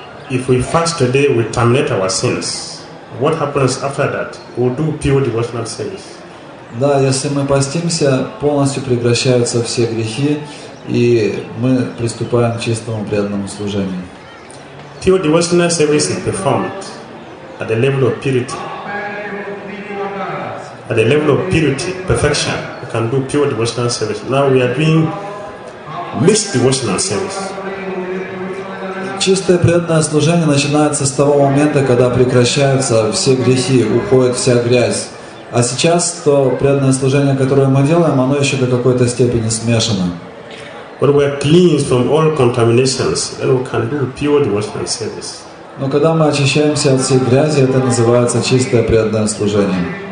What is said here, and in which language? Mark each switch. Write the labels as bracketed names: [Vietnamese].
[English] If we fast today, we terminate our sins. What happens after that? We'll do pure devotional service. [Russian] Да, если мы постимся, полностью прекращаются все грехи, и мы приступаем к чистому преданному служению. [English] Pure devotional service is performed at the level of purity. At the level of purity, perfection, we can do pure devotional service. Now we are doing mixed devotional service. [Russian] Чистое преданное служение начинается с того момента, когда прекращаются все грехи, уходит вся грязь. А сейчас то преданное служение, которое мы делаем, оно еще до какой-то степени смешано. [English] But we are cleansed from all contaminations, then we can do pure devotional service. [Russian] Но когда мы очищаемся от всей грязи, это называется чистое преданное служение.